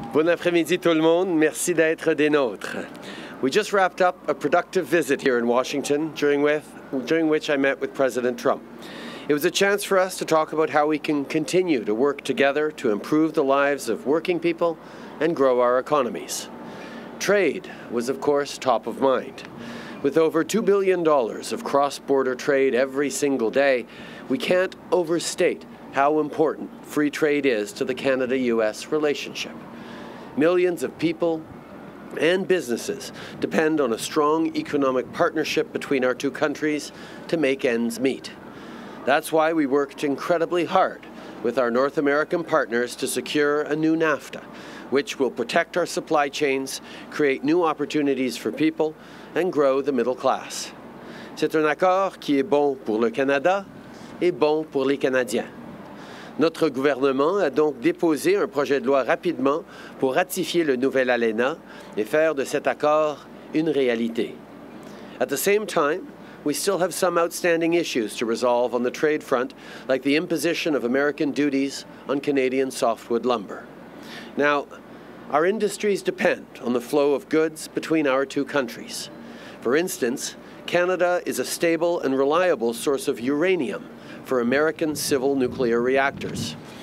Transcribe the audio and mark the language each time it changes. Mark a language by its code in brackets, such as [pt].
[fr] Bon après-midi tout le monde, merci d'être des nôtres. [en] We just wrapped up a productive visit here in Washington, during which I met with President Trump. It was a chance for us to talk about how we can continue to work together to improve the lives of working people and grow our economies. Trade was, of course, top of mind. With over $2 billion of cross-border trade every single day, we can't overstate how important free trade is to the Canada-US relationship. Millions of people and businesses depend on a strong economic partnership between our two countries to make ends meet. That's why we worked incredibly hard with our North American partners to secure a new NAFTA, which will protect our supply chains, create new opportunities for people, and grow the middle class. [fr] C'est un accord qui est bon pour le Canada et bon pour les Canadiens. Notre gouvernement a donc déposé un projet de loi rapidement pour ratifier le nouvel ALENA et faire de cet accord une réalité. [en] At the same time, we still have some outstanding issues to resolve on the trade front, like the imposition of American duties on Canadian softwood lumber. Now, our industries depend on the flow of goods between our two countries. For instance, Canada is a stable and reliable source of uranium for American civil nuclear reactors.